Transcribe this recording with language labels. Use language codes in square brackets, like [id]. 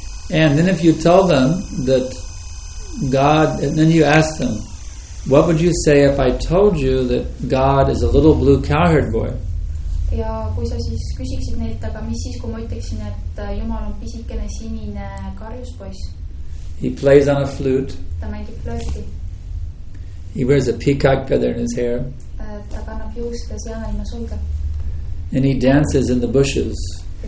[en] And then if you tell them that God, and then you ask them, what would you say if I told you that God is a little blue cowherd boy? [et] Ja kui sa siis küsiksid neilt, aga mis siis, kui ma ütleksin, et Jumal on pisikene sinine karjuspois? [en] He plays on a flute. [et] Ta mängib flööti. [en] He wears a peacock feather in his hair. And he dances in the bushes.